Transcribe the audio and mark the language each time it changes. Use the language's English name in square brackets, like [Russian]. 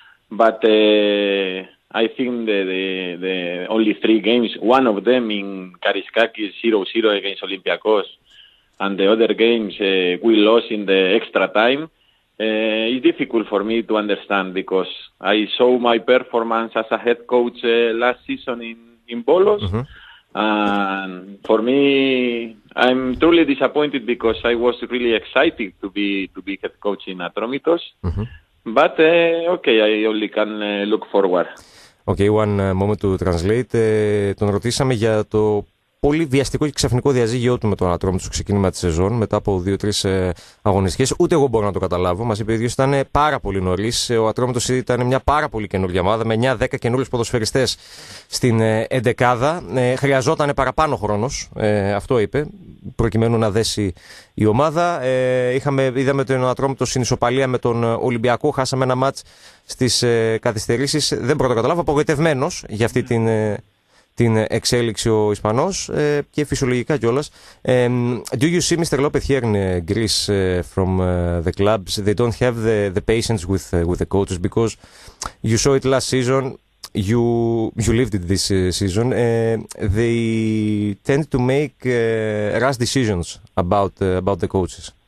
[English] But I think the only three games, one of them in Kariskakis 0-0 against Olympiacos, and the other games we lost in the extra time, it's difficult for me to understand because I saw my performance as a head coach last season in Bolos. Mm-hmm. And for me, I'm truly disappointed because I was really excited to be head coach in Atromitos. Mm-hmm. But okay, I only can look forward. Okay, one moment to translate. [Greek] Τον ρωτήσαμε για το πολύ βιαστικό και ξαφνικό διαζύγιο του με τον Ατρόμητο στο ξεκίνημα τη σεζόν, μετά από 2-3 αγωνιστικές. Ούτε εγώ μπορώ να το καταλάβω. Μας είπε ο ίδιος ότι ήταν πάρα πολύ νωρίς. Ο Ατρόμητος ήταν μια πάρα πολύ καινούργια ομάδα, με 9-10 καινούριους ποδοσφαιριστές στην εντεκάδα. Χρειαζόταν παραπάνω χρόνος, αυτό είπε, προκειμένου να δέσει η ομάδα. Είδαμε τον Ατρόμητο στην ισοπαλία με τον Ολυμπιακό. Χάσαμε ένα μάτς στις καθυστερήσεις. Δεν μπορώ να το καταλάβω. Απογοητευμένος για αυτή την εξέλιξη ο Ισπανός και φυσιολογικά κιόλας. [English] Do you see Mr. Lopez here in Greece from the clubs? They don't have the patience with the coaches because you saw it last season. You lived it this season. They tend to make rash decisions about the coaches.